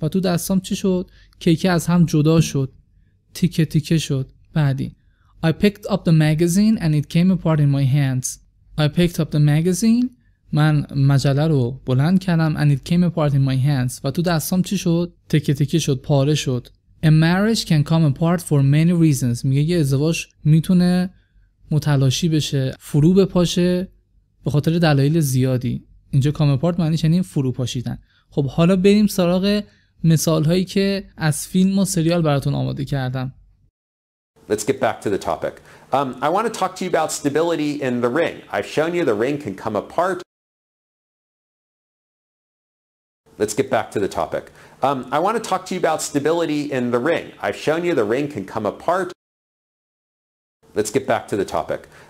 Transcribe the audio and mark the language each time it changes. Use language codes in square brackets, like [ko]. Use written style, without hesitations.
[fa] و تو دستام چی شد؟ کیک از هم جدا شد، تیکه تیکه شد. بعدی، [en] I picked up the magazine and it came apart in my hands. I picked up the magazine. [fa] من مجله رو بلند کردم. [en] And it came apart in my hands. [fa] و تو دستام چی شد؟ تکه تکه شد، پاره شد. [en] A marriage can come apart for many reasons. [fa] میگه یه ازدواج میتونه متلاشی بشه، فرو بپاشه به خاطر دلایل زیادی. اینجا come apart معنیش یعنی فرو پاشیدن. خب حالا بریم سراغ مثال هایی که از فیلم و سریال براتون آماده کردم. [en] Let's get back to the topic. I want to talk to you about stability in the ring. I've shown you the ring can come apart. Let's get back to the topic. I want to talk to you about stability in the ring. I've shown you the ring can come apart. Let's get back to the topic.